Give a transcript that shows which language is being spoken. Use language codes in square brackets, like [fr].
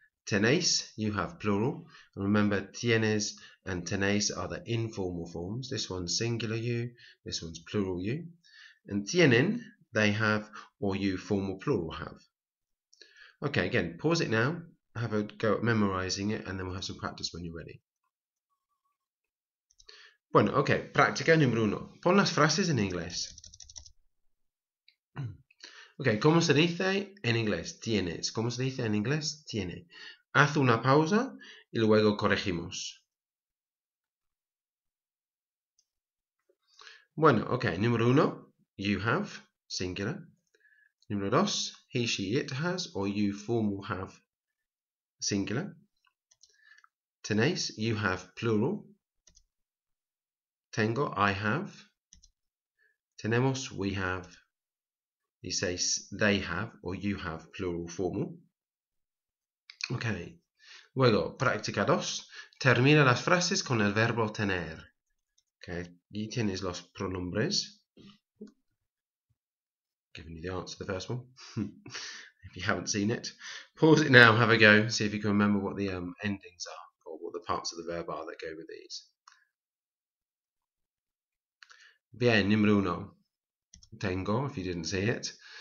[en] Tenéis, you have, plural. And remember, tienes and tenéis are the informal forms. This one's singular you, this one's plural you. And tienen, they have, or you, formal plural, have. Okay, again, pause it now, have a go at memorizing it, and then we'll have some practice when you're ready. [es] Bueno, okay, práctica número uno. Pon las frases en inglés. Okay, ¿cómo se dice en inglés? Tienes. ¿Cómo se dice en inglés? Tiene. Haz una pausa y luego corregimos. [en] Bueno, okay, [es] número uno, [en] you have. Singular. [es] Número dos, [en] he, she, it has, or you, formal, have, singular. Tenéis, you have, plural. Tengo, I have. Tenemos, we have. You say, they have, or you have, plural, formal. [es] Okay. Luego, práctica dos. Termina las frases con el verbo tener. Okay. Y tienes los pronombres. [en] the answer to the first one. If you haven't seen it, pause it now, have a go, see if you can remember what the endings are or what the parts of the verb are that go with these. [es] Bien, número uno. [en] Tengo, if you didn't see it.